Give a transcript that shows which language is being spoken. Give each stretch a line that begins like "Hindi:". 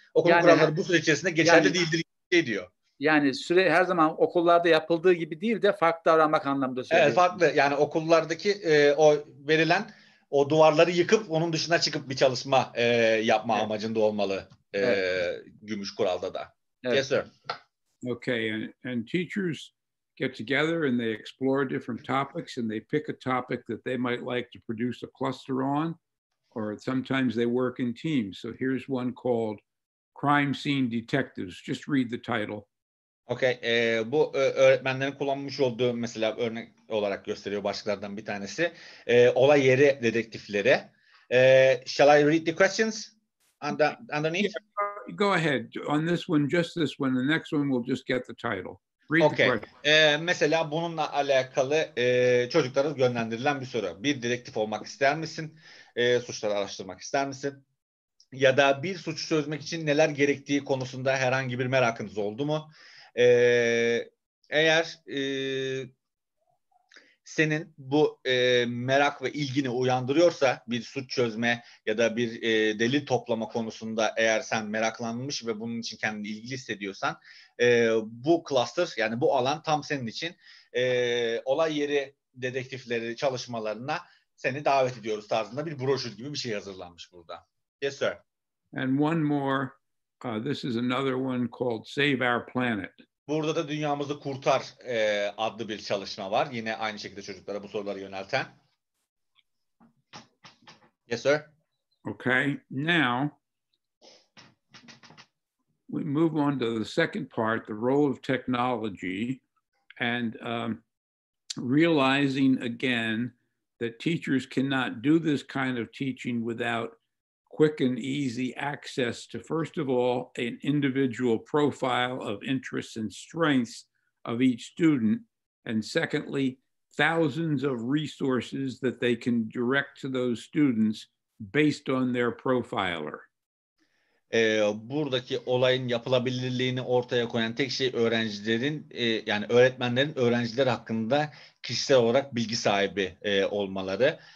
Turkish: okul yani, kuralları bu süre içerisinde geçerli yani, değildir diyor. Yani süre her zaman okullarda yapıldığı gibi değil de farklı davranmak anlamında söylüyor. Evet, farklı. Yani okullardaki o verilen o duvarları yıkıp onun dışına çıkıp bir çalışma yapma evet. amacında olmalı gümüş kuralda da. Evet.
English: Yes sir. Okay, and teachers get together and they explore different topics and they pick a topic that they might like to produce a cluster on, or sometimes they work in teams. So here's one called Crime Scene Detectives. Just read the title.
Turkish: Okay, bu öğretmenlerin kullanmış olduğu mesela örnek olarak gösteriyor başlıklardan bir tanesi. Olay yeri dedektifleri.
English: Shall I read the questions underneath? Yeah. Go ahead. On this one, just this one. The next one, we'll just get the title. Read okay. The question.
Turkish: Mesela bununla alakalı çocuklara yönlendirilen bir soru. Bir dedektif olmak ister misin? Suçları araştırmak ister misin? Ya da bir suçu çözmek için neler gerektiği konusunda herhangi bir merakınız oldu mu? Eğer senin bu merak ve ilgini uyandırıyorsa bir suç çözme ya da bir delil toplama konusunda eğer sen meraklanmış ve bunun için kendini ilgili hissediyorsan bu cluster yani bu alan tam senin için olay yeri dedektifleri çalışmalarına seni davet ediyoruz tarzında bir broşür gibi bir şey hazırlanmış burada.
English: Yes sir. And one more. This is another one called Save Our Planet.
Turkish: Burada da Dünyamızı Kurtar adlı bir çalışma var. Yine aynı şekilde çocuklara bu soruları yönelten.
English: Yes, sir. Okay, now we move on to the second part, the role of technology, and realizing again that teachers cannot do this kind of teaching without quick and easy access to, first of all, an individual profile of interests and strengths of each student, and secondly, thousands of resources that they can direct to those students based on their profiler.
Turkish: Buradaki olayın yapılabilirliğini ortaya koyan tek şey öğrencilerin, yani öğretmenlerin öğrenciler hakkında kişisel olarak bilgi sahibi olmaları.